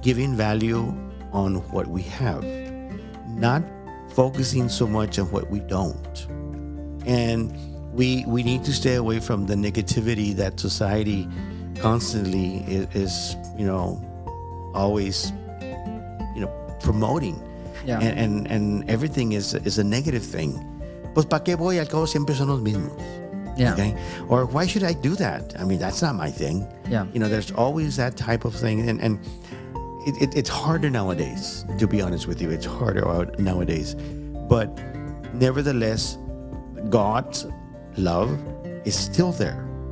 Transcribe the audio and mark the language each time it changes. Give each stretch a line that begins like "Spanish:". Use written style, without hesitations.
English: Giving value on what we have, not focusing so much on what we don't. And we need to stay away from the negativity that society constantly is you know, always, you know, promoting. Yeah. And everything is a negative thing.
Spanish: Pues para qué voy, al cabo siempre son los mismos.
English: Yeah. Okay. Or why should I do that? I mean, that's not my thing. Yeah. You know, there's always that type of thing. And it's harder nowadays, to be honest with you. It's harder nowadays. But nevertheless, God's love is still there.